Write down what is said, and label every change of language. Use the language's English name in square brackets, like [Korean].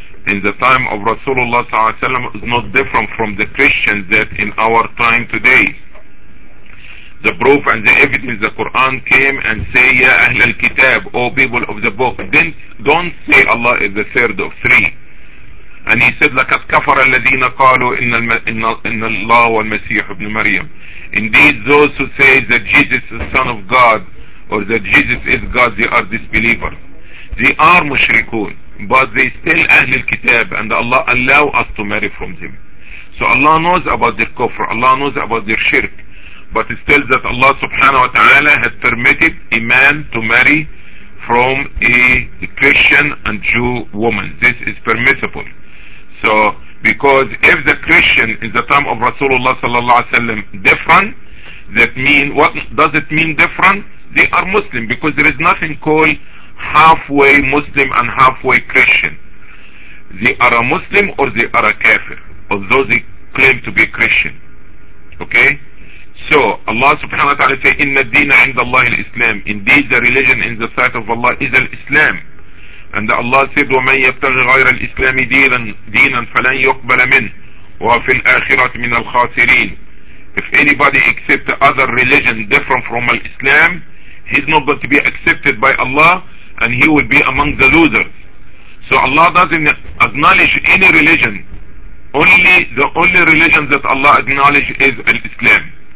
[English] in the time of Rasulullah sallallahu alayhi wa sallam is not different from the Christians that in our time today. The proof and the evidence, the Quran came and say, [Arabic] Ya Ahl al-Kitab, [English] O people of the book, then don't say Allah is the third of three. [Arabic] And he said, لَكَدْ كَفَرَ الَّذِينَ قَالُوا إِنَّ اللَّهُ وَالْمَسِيحُ ابْنُ مَرْيَمُ. [English] Indeed, those who say that Jesus is son of God, or that Jesus is God, they are disbelievers. They are mushrikun, but they still Ahl al-Kitab, and Allah allow us to marry from them. So Allah knows about their kufr, Allah knows about their shirk, but still that Allah subhanahu wa ta'ala had permitted a man to marry from a Christian and Jew woman. This is permissible. So, because if the Christian in the time of Rasulullah sallallahu alaihi wasallam different, that mean, what does it mean different? They are Muslim, because there is nothing called halfway Muslim and halfway Christian. They are a Muslim or they are a kafir, although they claim to be Christian. Okay? [Arabic] So Allah subhanahu wa ta'ala say, إِنَّ الدِّينَ عِنْدَ اللَّهِ الْإِسْلَامِ. [English] Indeed the religion in the sight of Allah is al-Islam. [Arabic] And Allah said, وَمَنْ يَبْتَغِ غَيْرَ الْإِسْلَامِ دِينًا فَلَنْ يُقْبَلَ مِنْهُ وَفِي الْآخِرَةِ مِنَ الْخَاسِرِينَ. [English] If anybody accept other religion different from al-Islam, he's not going to be accepted by Allah and he will be among the losers. So Allah doesn't acknowledge any religion. Only the only religion that Allah acknowledges is al-Islam.